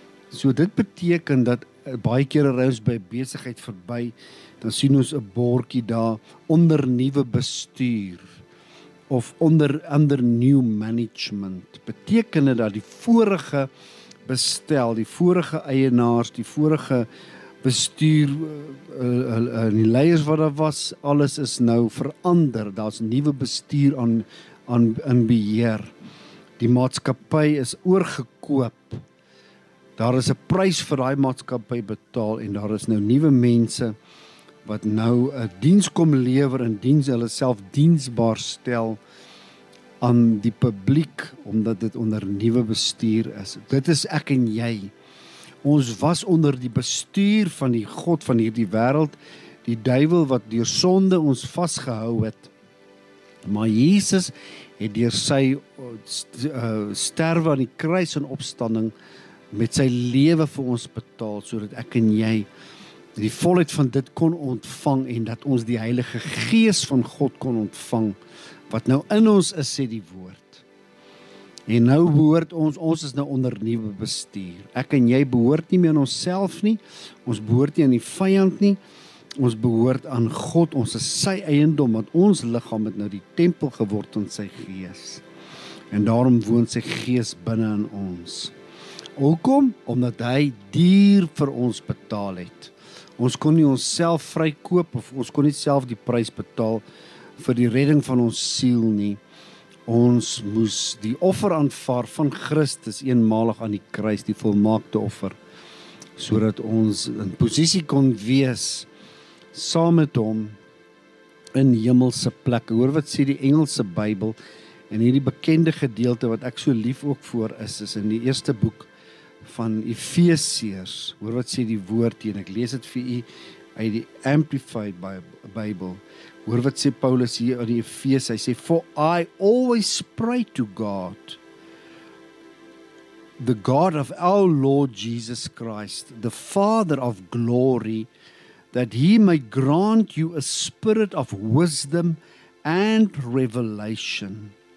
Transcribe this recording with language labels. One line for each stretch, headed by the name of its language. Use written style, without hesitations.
Afrikaans: So dit beteken dat baie kere ons by besigheid verby, dan sien ons 'n bordjie daar onder nuwe bestuur of onder
English: new management.
Afrikaans: Beteken dit dat die vorige bestel, die vorige eienaars, die vorige bestuur, die leiers wat daar was, alles is nou verander. Daar's nuwe bestuur aan in beheer. Die maatskappy is oorgekoop. Daar is 'n prys vir daai maatskappy betaal en daar is nou nuwe mense wat nou 'n diens kom lewer en diens hulle self diensbaar stel aan die publiek omdat dit onder nuwe bestuur is. Dit is ek en jy. Ons was onder die bestuur van die God van hierdie wêreld, die duiwel wat deur sonde ons vasgehou het. Maar Jesus het deur sy sterwe aan die kruis en opstanding met sy lewe vir ons betaal, sodat ek en jy die volheid van dit kon ontvang en dat ons die Heilige Gees van God kon ontvang, wat nou in ons is, sê die woord. En nou behoort ons is nou onder nuwe bestuur. Ek en jy behoort nie meer aan onsself nie. Ons behoort nie aan die vyand nie. Ons behoort aan God. Ons is sy eiendom, want ons liggaam het nou die tempel geword van sy gees. En daarom woon sy gees binne in ons. Hoekom? Omdat hy duur vir ons betaal het. Ons kon nie onsself vrykoop of ons kon nie self die prys betaal vir die redding van ons siel nie. Ons moes die offer aanvaar van Christus eenmalig aan die kruis, die volmaakte offer, sodat ons in posisie kon wees saam met hom in hemelse plekke. Hoor wat sê die Engelse Bybel en hierdie bekende gedeelte wat ek so lief ook voor is in die eerste boek van Efesiërs. Hoor wat sê die woord hier, en ek lees dit vir u uit die Amplified Bybel. Hoor wat sê Paulus hier in Efese, hy sê,
English: "For I always pray to God, the God of our Lord Jesus Christ, the Father of glory, that he may grant you a spirit of wisdom and revelation,